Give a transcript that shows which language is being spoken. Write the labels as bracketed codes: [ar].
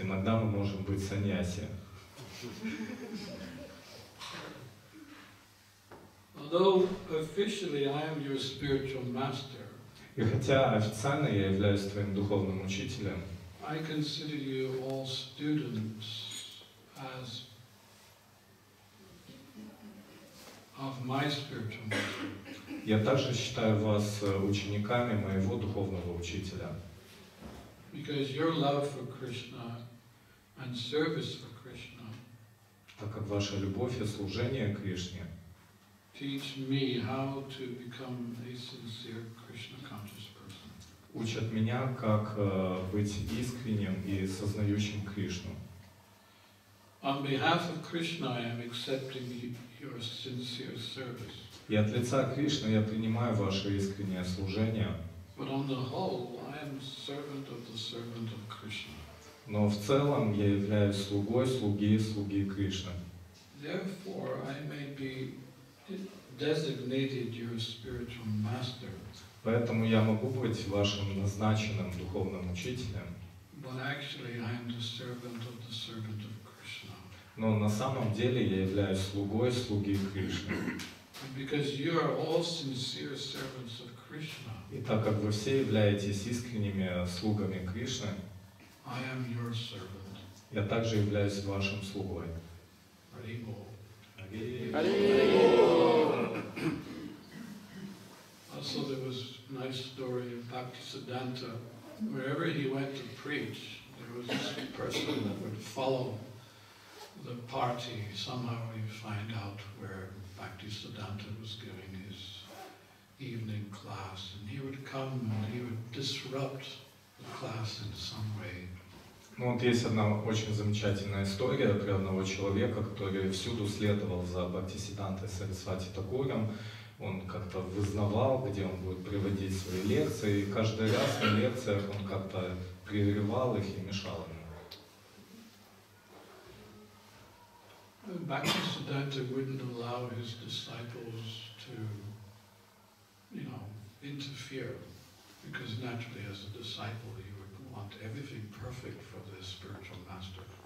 [ru] иногда мы можем быть саньяси. [en] Although officially I am your spiritual master, [ru] и хотя официально я являюсь твоим духовным учителем, [en] I consider you all students as of my spiritual master. [ru] Я также считаю вас учениками моего духовного учителя. [en] Because your love for Krishna and service for Krishna, [ru] так как ваша любовь и служение Кришне, [en] teach me how to become a sincere Krishna conscious person. [ru] Учат меня, как быть искренним и сознающим Кришну. [en] On behalf of Krishna, I am accepting your sincere service. [ru] И от лица Кришны я принимаю ваше искреннее служение. [en] But on the whole, I am servant of the servant of Krishna. [ru] Но в целом я являюсь слугой слуги Кришны. [en] Therefore, I may be designated your spiritual master. [ru] Поэтому я могу быть вашим назначенным духовным учителем. [en] But actually, I am the servant of the servant of Krishna. [ru] Но на самом деле я являюсь слугой слуги Кришны. [en] Because you are all sincere servants of Krishna. [ru] И так как вы все являетесь искренними слугами Кришны, [en] I am your servant. [ru] Я также являюсь вашим слугой. [en] Hare Bol. Hare Hare Krishna. Also, there was a nice story of Bhaktisiddhanta. Wherever he went to preach, there was this person that would follow the party. Somehow you find out where Bhaktisiddhanta was giving his evening class, and he would come and he would disrupt the class in some way. [ru] Ну, вот есть одна очень замечательная история про одного человека, который всюду следовал за Бхактисиддхантой Сарасвати Такуром. Он как-то вызнавал, где он будет приводить свои лекции, и каждый раз на лекциях он как-то прерывал их и мешал ему. [en] Bhaktisiddhanta wouldn't allow his disciples to, you know, interfere, because naturally as a disciple he would want everything perfect for the spiritual master.